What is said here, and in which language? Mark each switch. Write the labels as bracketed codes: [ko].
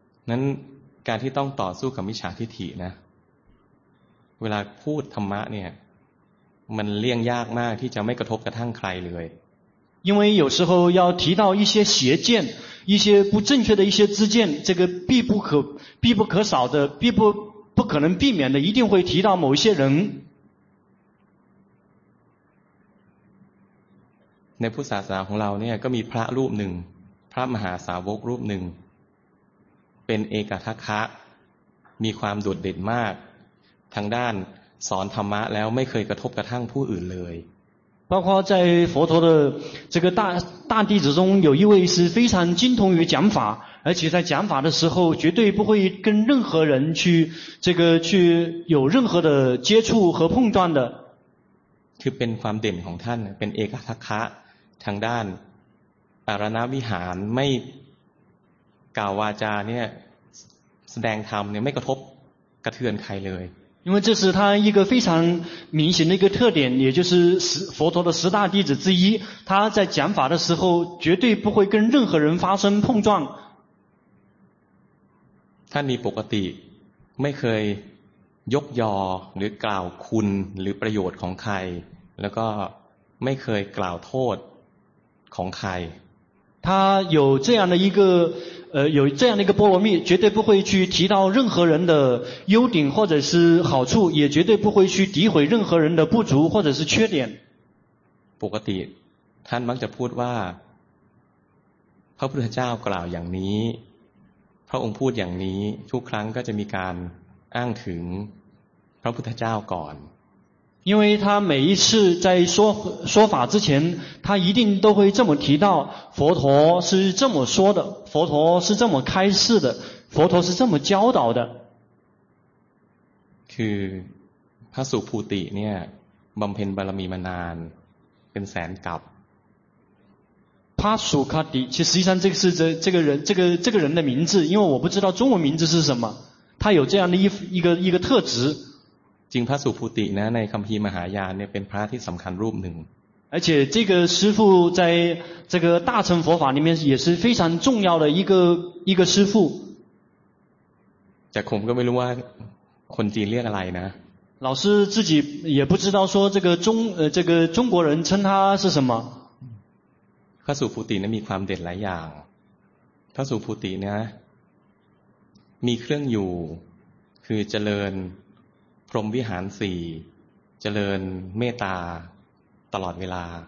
[th] นั้นการที่ต้องต่อสู้กับมิจฉาทิฐินะเวลาพูดธรรมะเนี่ยมันเลี่ยงยากมากที่จะไม่กระทบกระทั่งใครเลย [zh] 因为有时候要提到一些邪见一些不正确的一些知见这个必不可少的必不可能避免的一定会提到某一些人 [th] ในพุทธศาสนาของเราเนี่ยก็มีพระรูปหนึ่งพระมหาสาวกรูปหนึ่งเป็นเอกทัคคะมีความโดดเด่นมากทางด้านสอนธรรมะแล้วไม่เคยกระทบกระทั่งผู้อื่นเลย [zh] 包括在佛陀的这个大弟子中有一位是非常精通于讲法而且在讲法的时候绝对不会跟任何人去这个去有任何的接触和碰撞的 [th] คือเป็นความเด่นของท่านเป็นเอกทัคคะทางด้านอารณวิหารไม่กล่าววาจาเนี่ยแสดงธรรมเนี่ยไม่กระทบกระเทือนใครเลย [zh] 因为这是他一个非常明显的一个特点也就是佛陀的十大弟子之一他在讲法的时候绝对不会跟任何人发生碰撞 [th] ท่านมีปกติไม่เคยยกยอหรือกล่าวคุณหรือประโยชน์ของใครแล้วก็ไม่เคยกล่าวโทษของใคร [zh] 他有这样的一个有这样的一个波罗蜜绝对不会去提到任何人的优点或者是好处也绝对不会去诋毁任何人的不足或者是缺点 [th] ปกติท่านมักจะพูดว่าพระพุทธเจ้ากล่าวอย่างนี้พระองค์พูดอย่างนี้ทุกครั้งก็จะมีการอ้างถึงพระพุทธเจ้าก่อน [zh] 因为他每一次在说法之前他一定都会这么提到佛陀是这么说的佛陀是这么开示的佛陀是这么教导的 [th] คือพระสุภูติเนี่ยบำเพ็ญบารมีมานานเป็นแสนกัป พระสุคติคือ [zh] 实际上这个是这个人的名字因为我不知道中文名字是什么他有这样的一个特质 [th] จริงพระสุภูตินะในคัมภีร์มหายานเนี่ยเป็นพระที่สำคัญรูปหนึ่ง [zh] 而且这个师父在这个大乘佛法里面也是非常重要的一个师父 [th] แต่ผมก็ไม่รู้ว่าคนจีนเรียกอะไรนะ [zh] 老师自己也不知道说这个中国人称他是什么 [th] พระสุภูตินะมีความเด่นหลายอย่างพระสุภูตินะมีเครื่องอยู่คือเจริญพรหมวิหาร4เจริญเมตตาตลอดเวลา